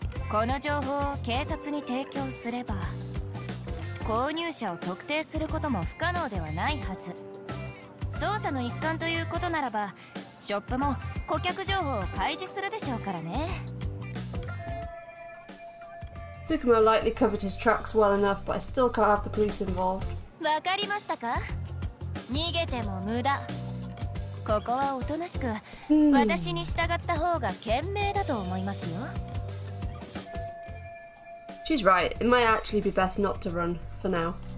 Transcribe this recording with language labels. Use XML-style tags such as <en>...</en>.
<ja>この情報を警察に提供すれば、購入者を特定することも不可能ではないはず。捜査の一環ということならば、ショップも顧客情報を開示するでしょうからね。</ja> <en>Tsukumo lightly covered his tracks well enough, but I still can't have the police involved.</en> <ja>わかりましたか？逃げても無駄。ここはおとなしく、私に従った方が賢明だと思いますよ。</ja> <en>She's right. It might actually be best not to run for now.</en>